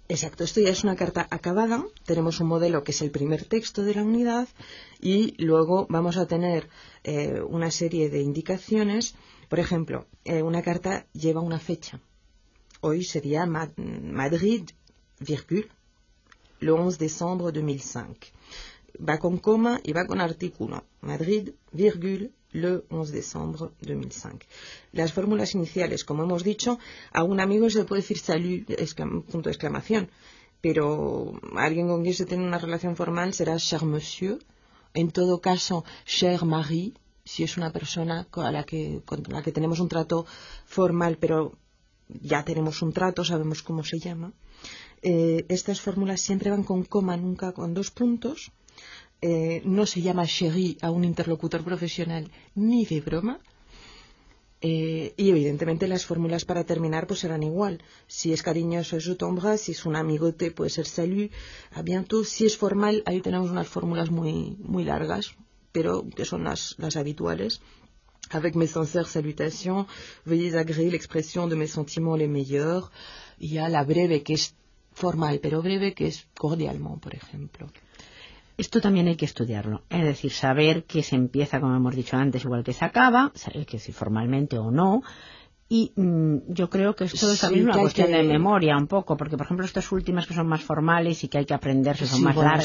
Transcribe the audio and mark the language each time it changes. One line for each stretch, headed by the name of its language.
Spanish: Exacto, esto ya es una carta acabada, tenemos un modelo que es el primer texto de la unidad y luego vamos a tener una serie de indicaciones. Por ejemplo, una carta lleva una fecha. Hoy sería Madrid,
French: virgule, le 11 décembre 2005.
Spanish: Va con coma y va con artículo.
French: Madrid, virgule, le 11 décembre 2005.
Spanish: Las fórmulas iniciales, como hemos dicho, a un amigo se le puede decir salut, punto de exclamación. Pero a alguien con quien se tiene una relación formal será
French: cher monsieur.
Spanish: En todo caso, cher Marie, si es una persona con la que tenemos un trato formal, pero ya tenemos un trato, sabemos cómo se llama. Estas fórmulas siempre van con coma, nunca con dos puntos. No se llama chérie a un interlocutor profesional, ni de broma. Y evidentemente las fórmulas para terminar pues serán igual. Si es cariñoso,
French: je t'embrasse.
Spanish: Si es un amigote, puede ser
French: salut, à bientôt.
Spanish: Si es formal, ahí tenemos unas fórmulas muy, muy largas, pero que son las habituales.
French: Avec mes sincères salutations, veuillez agréer l'expression de mes sentiments les meilleurs.
Spanish: Y a la breve, que es formal, pero breve, que es cordialmente, por ejemplo. Esto también hay que estudiarlo. Es decir, saber que se empieza, como hemos dicho antes, igual que se acaba, saber que si formalmente o no. Y yo creo que esto es también una cuestión de memoria un poco, porque por ejemplo estas últimas que son más formales y que hay que aprenderse son más largas.